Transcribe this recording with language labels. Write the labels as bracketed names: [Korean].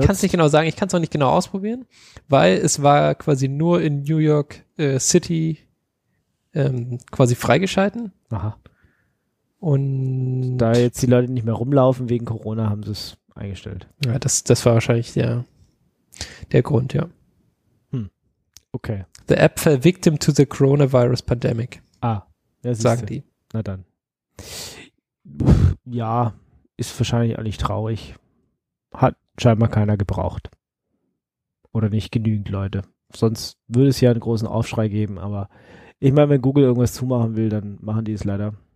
[German] Ich kann es nicht genau sagen, ich kann es auch nicht genau ausprobieren, weil es war quasi nur in New York City quasi freigeschalten. Aha. Und da jetzt die Leute nicht mehr rumlaufen wegen Corona, haben sie es eingestellt. Ja, das war wahrscheinlich der Grund, ja. Okay. [English] The app fell victim to the coronavirus pandemic. [German] Ah, ja, sagen du. Die. Na dann. Ja, ist wahrscheinlich auch nicht traurig. Hat scheinbar keiner gebraucht. Oder nicht genügend Leute. Sonst würde es ja einen großen Aufschrei geben, aber ich meine, wenn Google irgendwas zumachen will, dann machen die es leider.